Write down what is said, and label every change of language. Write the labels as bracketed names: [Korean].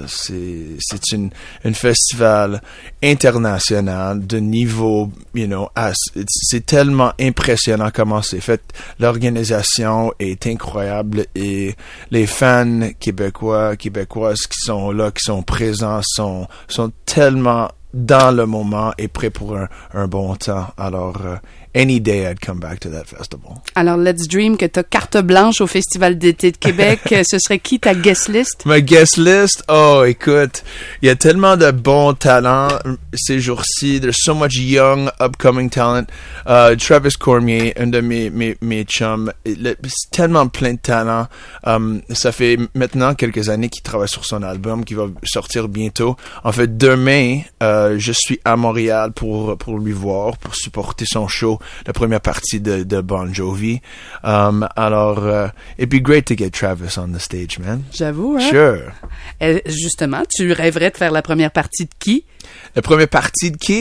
[French] C'est une festival international de niveau, [English] you know, [French] c'est tellement impressionnant comment c'est fait. L'organisation est incroyable et les fans québécois, québécoises qui sont là, qui sont présents, sont tellement dans le moment et prêt pour un bon temps. [English] Alors, any day I'd come back to that festival. [French] Alors, [English] let's dream [French] que t'as carte blanche au Festival d'été de Québec. Ce serait qui ta guest list? Ma guest list? Oh, écoute, il y a tellement de bons talents ces jours-ci. [English] There's so much young, upcoming talent. [French] Travis Cormier, un de mes chums. C'est tellement plein de talents. Ça fait maintenant quelques années qu'il travaille sur son album, qui va sortir bientôt. En fait, demain, je suis à Montréal pour lui voir, pour supporter son show. La première partie de Bon Jovi. [English] Alors, it'd be great to get Travis on the stage, man. [French] J'avoue, hein? [English] Sure. [French] Et justement, tu rêverais de faire la première partie de qui? La première partie de qui?